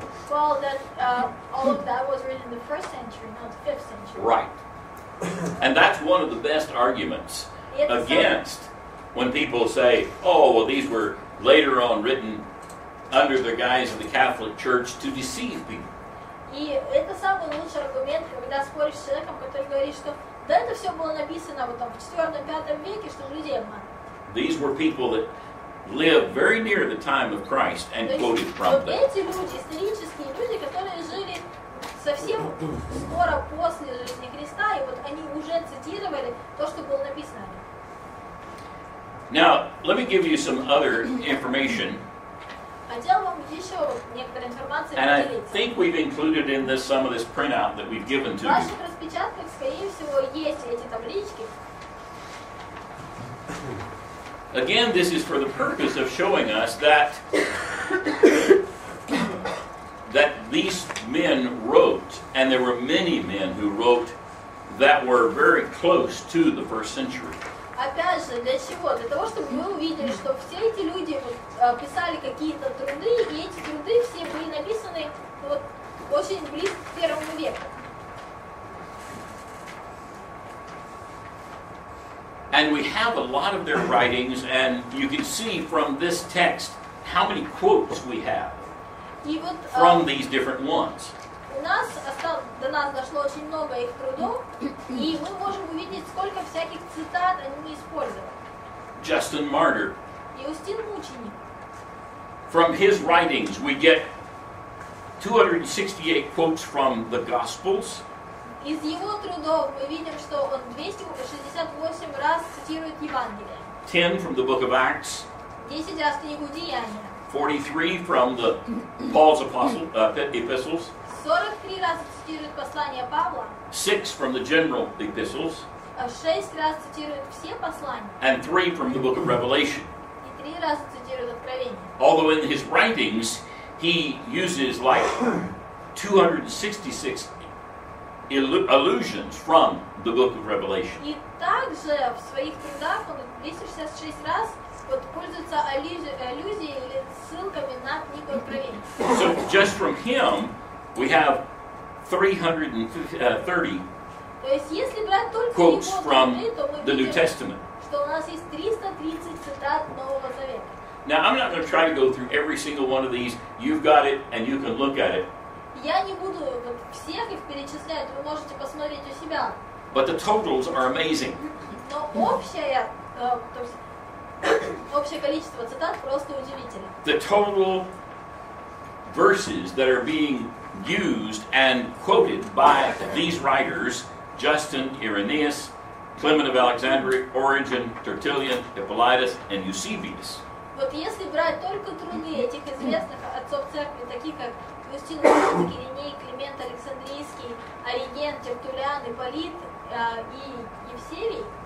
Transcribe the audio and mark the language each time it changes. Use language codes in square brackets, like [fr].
[en] Well, that all of that was written in the first century, not the fifth century. Right. And that's one of the best arguments against when people say, oh, well, these were later on written under the guise of the Catholic Church to deceive people. [ru] И это самый лучший аргумент, когда споришь с человеком, который говорит, что да, это все было написано вот там в 4-5 веке, что людей обманывают. [en] These were people that lived very near the time of Christ and quoted from them. [ru] Эти люди, исторические люди, которые жили совсем скоро после жизни Христа, и вот они уже цитировали то, что было написано. [en] Now, let me give you some other information. [ru] Хотел вам еще некоторую информацию поделиться. [en] And I think we've included in this some of this printout that we've given to you. [ru] В ваших распечатках, скорее всего, есть эти таблички. [en] Again, this is for the purpose of showing us that that these men wrote, and there were many men who wrote that were very close to the first century. [ru] Опять же, для чего? Для того, чтобы мы увидели, что все эти люди писали какие-то труды, и эти труды все были написаны вот очень близко к первому веку. [en] And we have a lot of their writings, and you can see from this text how many quotes we have from these different ones. [ru] До нас дошло очень много их трудов, и мы можем увидеть, сколько всяких цитат они использовали. [en] Justin Martyr. [ru] Иустин Мученик. [en] From his writings, we get 268 quotes from the Gospels. [ru] Из его трудов мы видим, что он 268 раз цитирует Евангелие. [en] 10 from the book of Acts. [ru] 10 раз книгу Деяния. [en] 43 from the Paul's apostle epistles. [ru] 43 раз цитирует послания Павла. [en] 6 from the general epistles. [ru] 6 раз цитирует все послания. [en] And 3 from the book of Revelation. [ru] И 3 раз цитирует Откровение. [en] Although in his writings he uses like 266 allusions from the book of Revelation. [ru] И также в своих трудах он 266 раз вот пользуется аллюзией или ссылками на книгу Откровения. [en] So just from him we have 330 [ru] То есть если брать только его, то мы видим, что у нас есть 330 цитат Нового Завета. [en] Now I'm not going to try to go through every single one of these. You've got it and you can look at it. [ru] Я не буду всех их перечислять, вы можете посмотреть у себя. [en] But the totals are amazing. [ru] Но общая, то есть, общее количество цитат просто удивительно. [en] The total verses that are being used and quoted by these writers, Justin, Irenaeus, Clement of Alexandria, Origen, Tertullian, Hippolytus, and Eusebius. [ru] Вот если брать только труды этих известных отцов церкви, таких как Иустин Римский, Ириней, Климент Александрийский, Ориген, Тертуллиан, Ипполит и Евсевий,